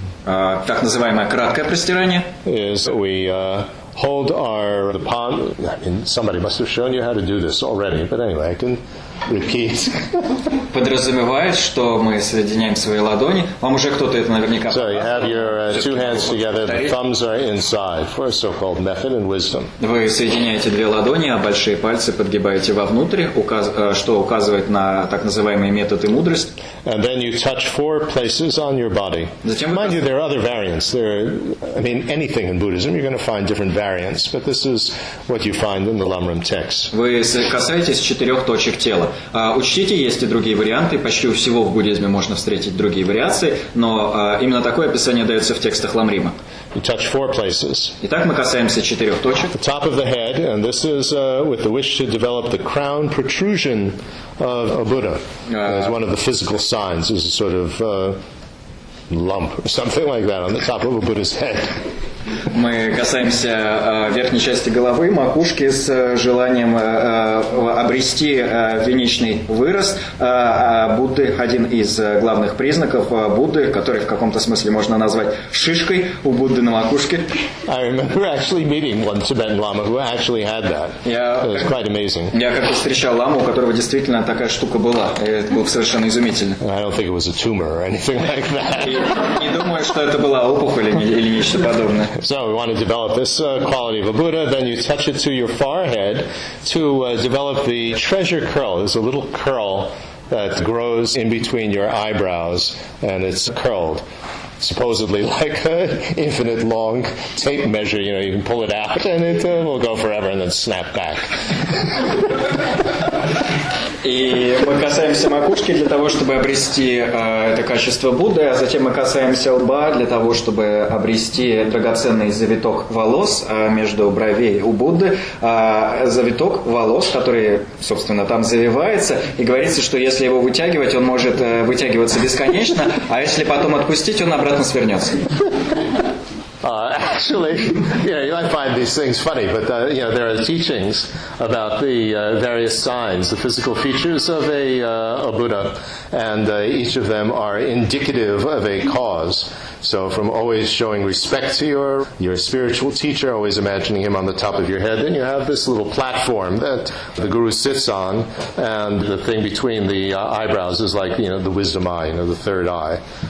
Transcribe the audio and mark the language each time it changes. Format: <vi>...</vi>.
<ru>Так называемое краткое простирание.</ru> <en>Is we hold our the palm. I mean, somebody must have shown you how to do this already, but anyway, I can repeat.</en> <ru>Подразумевает, что мы соединяем свои ладони. Вам уже кто-то это наверняка.</ru> <en>So you have your two hands together. The thumbs are inside for a so-called method and wisdom.</en> <ru>Вы соединяете две ладони, а большие пальцы подгибаете вовнутрь, что указывает на так называемый метод и мудрость.</ru> <en>And then you touch four places on your body. Mind you, there are other variants. Anything in Buddhism, you're going to find different variants. But this is what you find in the Lamrim texts.</en> <ru>Вы касаетесь четырех точек тела. Учтите, есть и другие варианты. Почти у всего в буддизме можно встретить другие вариации, но именно такое описание дается в текстах Ламрима.</ru> <en>You touch four places.</en> <ru>Итак, мы касаемся четырех точек.</ru> <en>The top of the head, and this is with the wish to develop the crown protrusion of a Buddha. As one of the physical signs, is a sort of lump or something like that on the top of a Buddha's head.</en> <ru>Мы касаемся верхней части головы, макушки, с желанием обрести виничный вырост Будды, один из главных признаков Будды, который в каком-то смысле можно назвать шишкой у Будды на макушке.</ru> <en>I remember actually meeting one Tibetan lama who actually had that. It was quite amazing.</en> <ru>Я как-то встречал ламу, у которого действительно такая штука была. Это было совершенно изумительно.</ru> <en>I don't think it was a tumor or anything like that.</en> <ru>Не думаю, что это была опухоль или нечто подобное.</ru> <en>So we want to develop this quality of a Buddha, then you touch it to your forehead to develop the treasure curl. It's a little curl that grows in between your eyebrows, and it's curled, supposedly like an infinite long tape measure. You know, you can pull it out, and it will go forever, and then snap back.</en> <ru>И мы касаемся макушки для того, чтобы обрести это качество Будды, а затем мы касаемся лба для того, чтобы обрести драгоценный завиток волос между бровей у Будды. Завиток волос, который, собственно, там завивается, и говорится, что если его вытягивать, он может вытягиваться бесконечно, а если потом отпустить, он обратно свернется.</ru> <en>Actually, you might find these things funny, but there are teachings about the various signs, the physical features of a Buddha, and each of them are indicative of a cause. So from always showing respect to your spiritual teacher, always imagining him on the top of your head, then you have this little platform that the guru sits on, and the thing between the eyebrows is like, you know, the wisdom eye, you know, the third eye.</en>